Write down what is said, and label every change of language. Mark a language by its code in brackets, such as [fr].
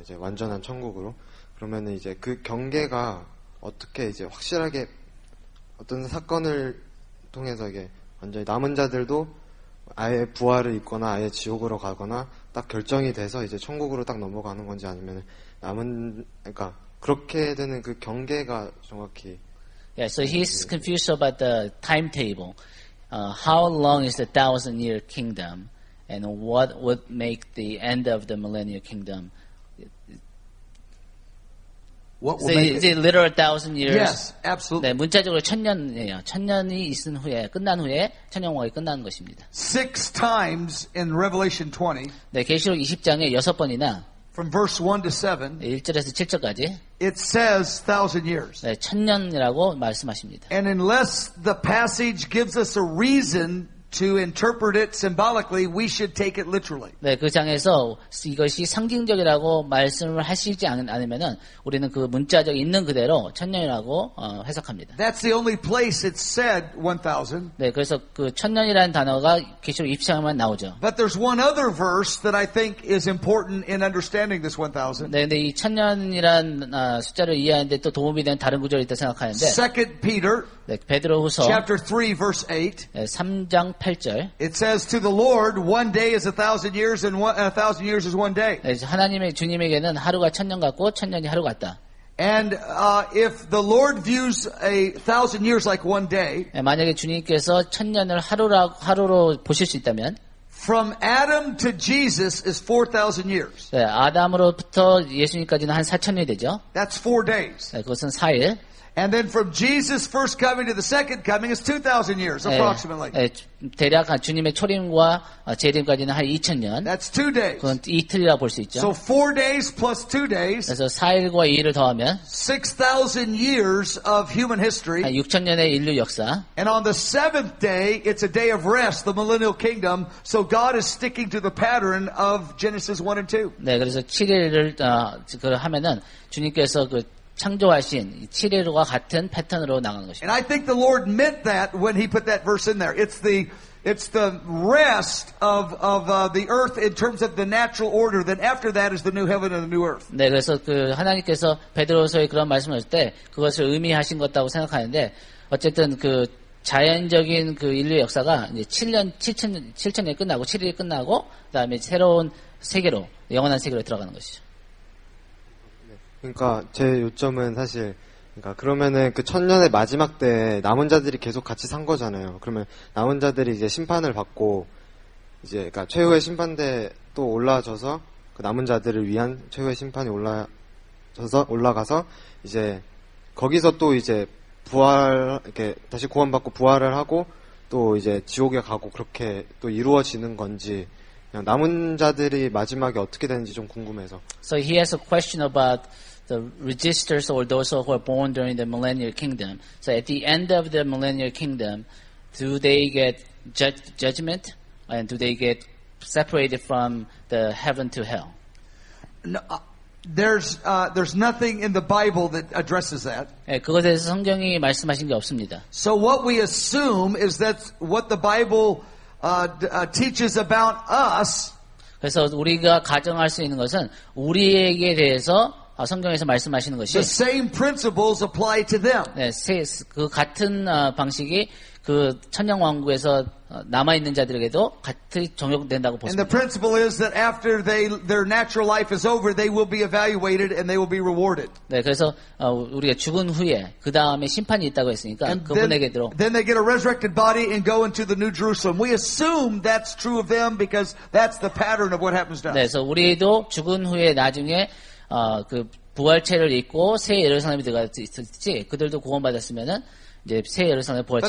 [ko] 이제 완전한 천국으로. 그러면은 이제 그 경계가 어떻게 이제 확실하게 어떤 사건을 통해서 이게 완전히 남은 자들도 아예 부활을 입거나 아예 지옥으로 가거나 딱 결정이 돼서 이제 천국으로 딱 넘어가는 건지 아니면 남은 그러니까 그렇게 되는 그 경계가 정확히 [en] Yeah, so he's confused about the timetable. How long is the thousand-year kingdom, and what would make the end of the millennial kingdom? What so will make is it literal thousand years? Yes, absolutely. [ko] 네, 문자적으로 천년이에요. 천년이 있은 후에 끝난 후에 천년왕국이 끝나는 것입니다. [en] Six times in Revelation 20. [ko] 네, 계시록 20장에 여섯 번이나. [en] From verse 1 to 7. [ko] 1절에서 7절까지. [en] It says thousand years. [ko] 네, 천년이라고 말씀하십니다. [en] And unless the passage gives us a reason to interpret it symbolically, we should take it literally. [ko] 네, 그 장에서 이것이 상징적이라고 말씀을 하시지 않으면은 우리는 그 문자적 있는 그대로 천년이라고 해석합니다. [en] That's the only place it said 1000. [ko] 네, 그래서 그 천년이라는 단어가 계시록 입장만 나오죠. [en] But there's one other verse that I think is important in understanding this 1000. [ko] 네, 근데 이 천년이란 숫자를 이해하는데 또 도움이 되는 다른 구절이 있다 생각하는데 [en] Second Peter [ko] 네, 베드로후서 [en] chapter 3 verse 8. [ko] 네, 3장 [en] It says to the Lord, one day is a thousand years, and a thousand years is one day. [ko] 하나님의 주님에게는 하루가 천년 같고 천년이 하루 같다. [en] And if the Lord views a thousand years like one day, [ko] 만약에 주님께서 천 년을 하루로 보실 수 있다면, [en] from Adam to Jesus is 4,000 years. [ko] 네, 아담으로부터 예수님까지는 한 4천 년이 되죠. [en] That's 4 days. [ko] 네, 그것은 4일. [en] And then from Jesus' first coming to the second coming is 2,000 years, approximately. [ko] 네, 대략 주님의 초림과 재림까지는 한 2,000 년. [en] That's 2 days. [ko] 그건 이틀이라고 볼 수 있죠. [en] So 4 days plus 2 days. [ko] 그래서 4일과 2일을 더하면 [en] 6,000 years of human history. [ko] 6,000 년의 인류 역사. [en] And on the seventh day, it's a day of rest, the millennial kingdom. So God is sticking to the pattern of Genesis 1 and 2. [ko] 네, 그래서 7일을 하면은 주님께서 그 창조하신 7일과 같은 패턴으로 나가는 것입니다. [en] And I think the Lord meant that when he put that verse in there. It's the rest of the earth in terms of the natural order. Then after that is the new heaven and the new earth. [ko] 네, 그래서 그 하나님께서 베드로서의 그런 말씀을 할 때 그것을 의미하신 것이라고 생각하는데 어쨌든 그 자연적인 그 인류 역사가 이제 7천 년이 끝나고 7일이 끝나고 그다음에 새로운 세계로 영원한 세계로 들어가는 것이죠. 그러니까 제 요점은 사실 그러니까 그러면은 그 천년의 마지막 때 남은 자들이 계속 같이 산 거잖아요. 그러면 남은 자들이 이제 심판을 받고 이제 그러니까 최후의 심판대에 또 올라져서 그 남은 자들을 위한 최후의 심판이 올라가서 이제 거기서 또 이제 부활 이렇게 다시 구원받고 부활을 하고 또 이제 지옥에 가고 그렇게 또 이루어지는 건지 남은 자들이 마지막에 어떻게 되는지 좀 궁금해서. [en] So he has a question about the resistors or those who are born during the millennial kingdom. So at the end of the millennial kingdom, do they get judgment and do they get separated from the heaven to hell? No, there's nothing in the Bible that addresses that. [ko] 네, 그것에 대해서 성경이 말씀하신 게 없습니다. [en] So what we assume is that what the Bible teaches about us. [ko] 그래서 우리가 가정할 수 있는 것은 우리에게 대해서 성경에서 말씀하시는 것이. [en] The same principles apply to them. [ko] 네, 그 같은 방식이 그 천년 왕국에서 남아 있는 자들에게도 같이 적용된다고 보시면. [en] And the principle is that after their natural life is over, they will be evaluated and they will be rewarded. [ko] 네, 그래서 우리가 죽은 후에 그 다음에 심판이 있다고 했으니까 그분에게도. [en] Then they get a resurrected body and go into the New Jerusalem. We assume that's true of them because that's the pattern of what happens to us. [ko] 네, 그래서 우리도 죽은 후에 나중에 그 부활체를 입고 새 예루살렘에 들어갔지 그들도 구원받았으면은 이제 새 예루살렘 부활체.